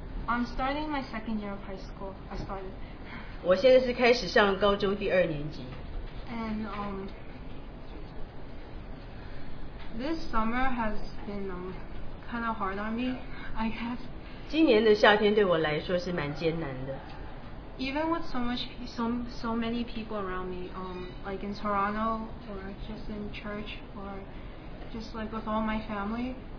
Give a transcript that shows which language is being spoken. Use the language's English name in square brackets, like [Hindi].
[English] I'm starting my second year of high school. I started. [Chinese] 我现在是开始上高中第二年级。 [English] And this summer has been kind of hard on me, I guess. [Chinese] 今年的夏天对我来说是蛮艰难的。 [English] Even with so many people around me, like in Toronto or just in church or just like with all my family.